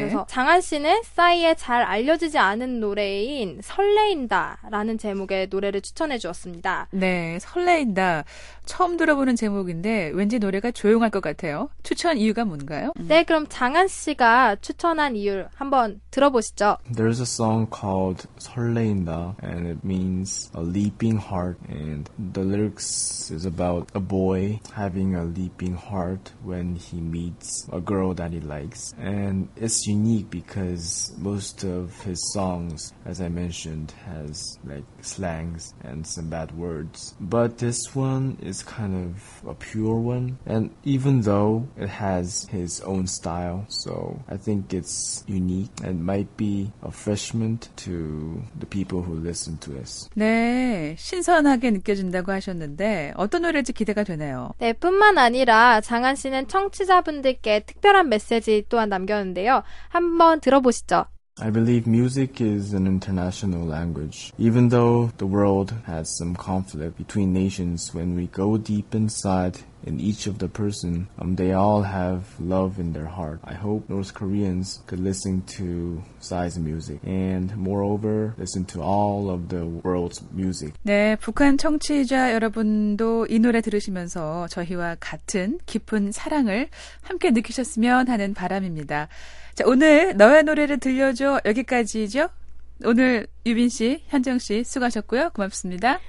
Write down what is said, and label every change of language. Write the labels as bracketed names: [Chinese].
[Korean] 그래서 장한 씨는 싸이의 잘 알려지지 않은 노래인 설레인다라는 제목의 노래를 추천해 주었습니다. 네, 설레인다. 처음 들어보는 제목인데 왠지 노래가 조용할 것 같아요. 추천 이유가 뭔가요? 네, 그럼 장한 씨가 추천한 이유 한번 들어보시죠. [English] There's a song called 설레인다 and it means a leaping heart and the lyrics is about a boy having a leaping heart when he meets a girl that he likes and it's unique because most of his songs as I mentioned has like slangs and some bad words but this one is kind of a pure one and even though it has his own style so I think it's unique and might be a freshman to the people who listen to this. [Korean] 네, 신선하게 느껴진다고 하셨는데 어떤 노래일지 기대가 되네요. 네, 뿐만 아니라 장한 씨는 청취자분들께 특별한 메시지 또한 남겼는데요. 한번 들어보시죠. [English] I believe music is an international language. Even though the world has some conflict between nations, when we go deep inside in each of the person, they all have love in their heart. I hope North Koreans could listen to Psy's music and moreover listen to all of the world's music. [Korean] 네, 북한 청취자 여러분도 이 노래 들으시면서 저희와 같은 깊은 사랑을 함께 느끼셨으면 하는 바람입니다. 자, 오늘 너의 노래를 들려줘 여기까지죠? 오늘 유빈 씨, 현정 씨 수고하셨고요. 고맙습니다.